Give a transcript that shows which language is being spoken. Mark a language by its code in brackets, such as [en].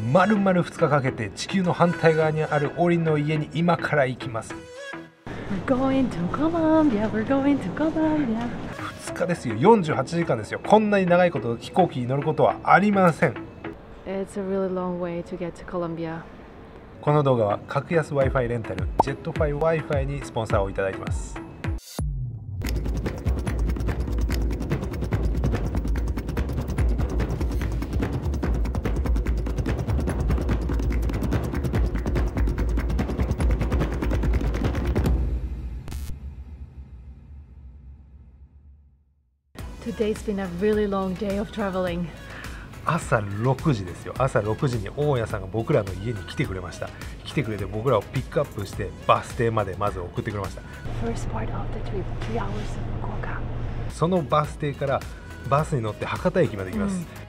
[ja] 丸々2日かけて地球の反対側にあるオリの家に今から行きます。 [en] We're going to Colombia, we're going to Colombia。 [ja] 2日ですよ、48時間ですよ。こんなに長いこと飛行機に乗ることはありません。 [en] It's a really long way to get to Colombia。 [ja] この動画は格安 Wi-Fi レンタルジェットファイ Wi-Fi にスポンサーをいただきます。 [en] Today's been a really long day of traveling. [ja] 朝6時ですよ。朝6時に大家さんが僕らの家に来てくれました。来てくれて僕らをピックアップしてバス停までまず送ってくれました。 [en] First part of the trip, 3 hours of 福岡。 [ja] そのバス停からバスに乗って博多駅まで行きます。